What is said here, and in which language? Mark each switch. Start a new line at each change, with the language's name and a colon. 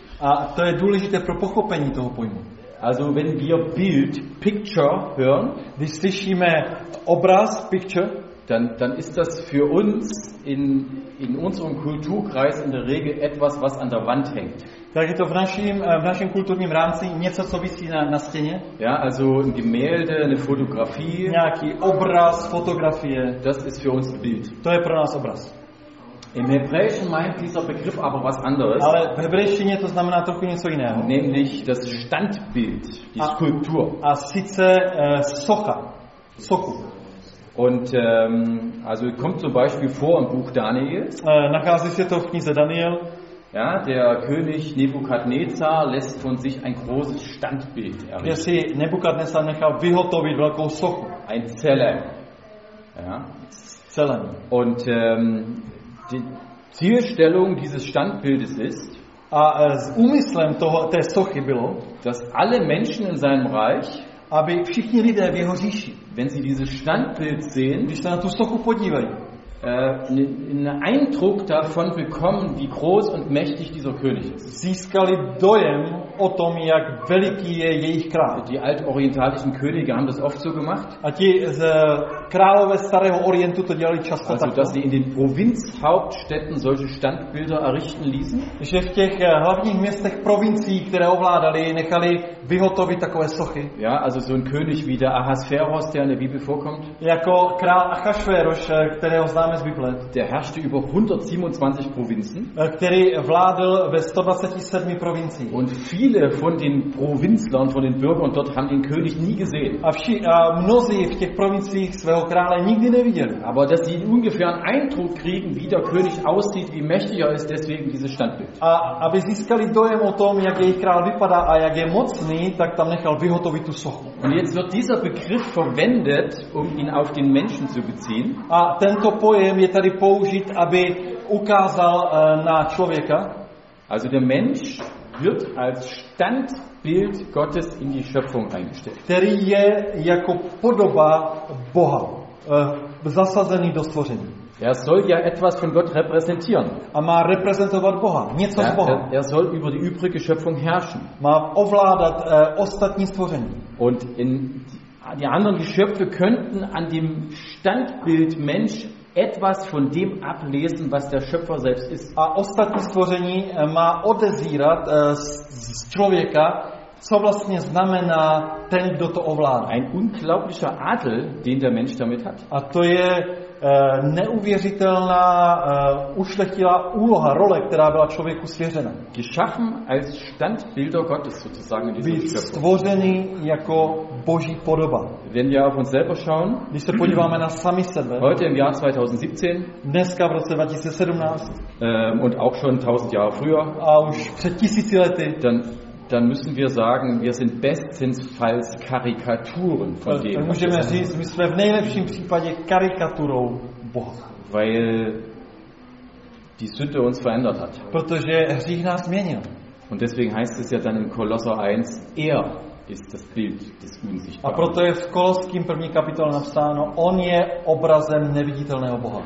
Czech: A to je důležité pro pochopení toho pojmu.
German: Also wenn wir Bild, Picture hören,
Czech: když slyšíme obraz, picture,
German: dann ist das für uns in unserem Kulturkreis in der Regel etwas, was an der Wand hängt.
Czech: Tak je to v našem kulturním rámci něco, co visí na stěně.
German: Ja, also ein Gemälde, eine Fotografie.
Czech: Nějaký obraz, fotografie.
German: Das ist für uns Bild.
Czech: To je pro nás obraz.
German: Im Hebräischen meint dieser Begriff aber was anderes.
Czech: Ale v hebrejštině to znamená trochu něco jiného.
German: Nämlich das Standbild, die Skulptur.
Czech: A sice socha, sochu.
German: Und also kommt zum Beispiel vor im Buch Daniel.
Czech: Nachází se to v knize Daniel.
German: Ja, der König Nebukadnezar lässt von sich ein großes Standbild errichten.
Czech: Kde si Nebukadnezar nechal vyhotovit velkou sochu.
German: Ein Zelem. Ja.
Czech: Zelem.
German: Und die Zielstellung dieses Standbildes ist,
Czech: úmyslem toho, té sochy bylo,
German: dass alle Menschen in seinem Reich,
Czech: aby všichni lidé v jeho říši,
German: wenn sie dieses Standbild sehen,
Czech: když se na tu sochu podívají,
German: einen Eindruck davon bekommen, wie groß und mächtig dieser König ist.
Czech: Získali dojem o tom, jak veliký je jejich král.
German: Die altorientalischen Könige haben das oft so gemacht.
Czech: A ti z králové starého orientu to dělali často
German: also,
Czech: tak.
German: Dass sie in den Provinzhauptstädten solche Standbilder errichten ließen.
Czech: Že v těch hlavních městech provincií, které ovládali, nechali vyhotovit takové sochy.
German: Ja, also so ein König wie der Ahasveros, der in der Bibel vorkommt.
Czech: Jako král Achašveros, kterého známe z Bible.
German: Der herrschte über 127 Provinzen.
Czech: Který vládl ve 127 provincií.
German: Und viele von den Provinzlern, von den Bürgern dort haben den König nie gesehen.
Czech: A mnozí v těch provinciích svého krále nikdy neviděli.
German: Aber dass sie ungefähr einen Eindruck kriegen, wie der König aussieht, wie mächtig er ist, deswegen dieses Standbild.
Czech: A aby získali dojem o tom, jak jejich král vypadá a jak je mocný, tak tam nechal vyhotovit tu sochu.
German: Und jetzt wird dieser Begriff verwendet, um ihn auf den Menschen zu beziehen.
Czech: A tento pojem je tady použit, aby ukázal na člověka.
German: Also der Mensch wird als Standbild Gottes in die Schöpfung eingestellt.
Czech: Který je jako podoba Boha, zasazený do stvoření.
German: Er soll ja etwas von Gott repräsentieren.
Czech: A má reprezentovat Boha, něco z Boha.
German: Er soll über die übrige Schöpfung herrschen.
Czech: Má ovládat ostatní stvoření.
German: Und in die anderen Geschöpfe könnten an dem Standbild Mensch etwas von dem ablesen, was der Schöpfer selbst ist.
Czech: A ostatní stvoření má odezírat z člověka, co vlastně znamená ten, kdo to ovládá.
German: Ein unglaublicher Adel, den der Mensch damit hat.
Czech: A to je neuvěřitelná ušlechtilá úloha, role, která byla člověku svěřena.
German: Geschaffen als Standbilder Gottes sozusagen in dieser Schöpfung.
Czech: Stvořený jako Boží podoba.
German: Wenn wir auf uns selber schauen,
Czech: když se podíváme na sami sebe,
German: heute im Jahr 2017,
Czech: dneska v roce 2017,
German: und auch schon 1000 Jahre früher,
Czech: a už před tisíci lety,
German: dann müssen wir sagen, wir sind bestens falls Karikaturen von dem.
Czech: Dann můžeme říct, my jsme v nejlepším případě karikaturou Boha.
German: Weil die Sünde uns verändert hat.
Czech: Protože hřích nás změnil.
German: Und deswegen heißt es ja dann in Kolosser 1, er ist das Bild des Unsichtbaren.
Czech: A proto je v Koloským první kapitole napsáno, on je obrazem neviditelného Boha.